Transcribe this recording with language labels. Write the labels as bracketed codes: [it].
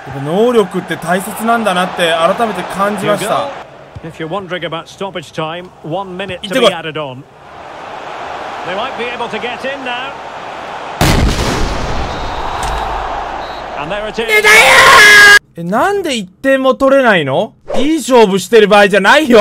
[ja] 能力って大切なんだなって改めて感じました。 [en] If you're wondering about stoppage time, 1 minute to be added on. They might be able to get in now. [ja] ねだよ、え、なんで1点も取れないの？いい勝負してる場合じゃないよ。